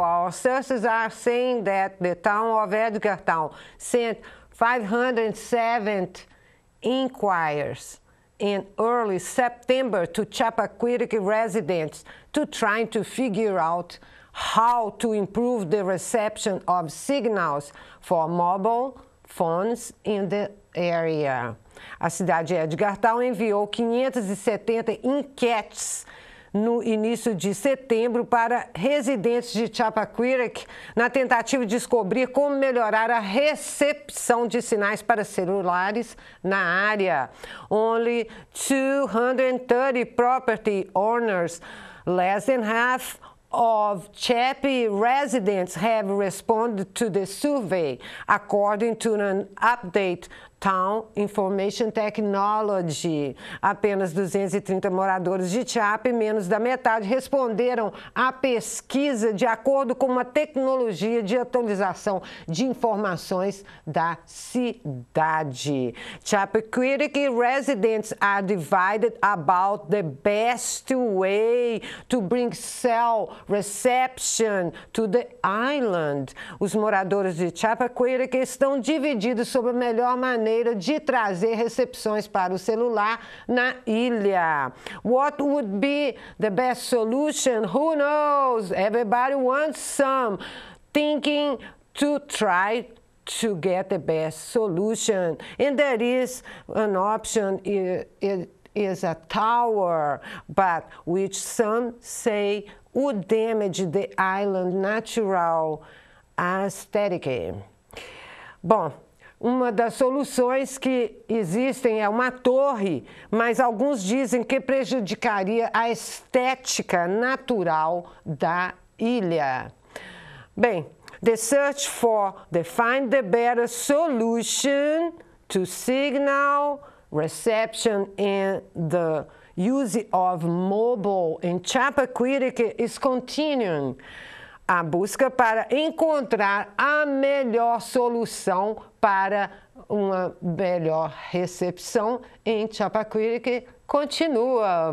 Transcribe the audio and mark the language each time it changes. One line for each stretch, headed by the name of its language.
English: Our sources are saying that the town of Edgartown sent 507 inquiries in early September to Chappaquiddick residents to try to figure out how to improve the reception of signals for mobile phones in the area.
Portuguese: A cidade de Edgartown enviou 570 enquetes no início de setembro para residentes de Chappaquiddick na tentativa de descobrir como melhorar a recepção de sinais para celulares na área.
English: Only 230 property owners, less than half of Chappie residents have responded to the survey, according to an update Town Information Technology.
Portuguese: Apenas 230 moradores de Chappie, menos da metade, responderam à pesquisa de acordo com uma tecnologia de atualização de informações da cidade.
English: Chappaquiddick residents are divided about the best way to bring cell reception to the island.
Portuguese: Os moradores de Chappaquiddick estão divididos sobre a melhor maneira de trazer recepções para o celular na ilha.
English: What would be the best solution? Who knows? Everybody wants some. Thinking to try to get the best solution. And there is an option. It is a tower, but which some say would damage the island natural aesthetic.
Portuguese: Bom, uma das soluções que existem é uma torre, mas alguns dizem que prejudicaria a estética natural da ilha.
English: Bem, the search for the find the better solution to signal reception and the use of mobile in Chappaquiddick is continuing.
Portuguese: A busca para encontrar a melhor solução para uma melhor recepção em Chappaquiddick continua.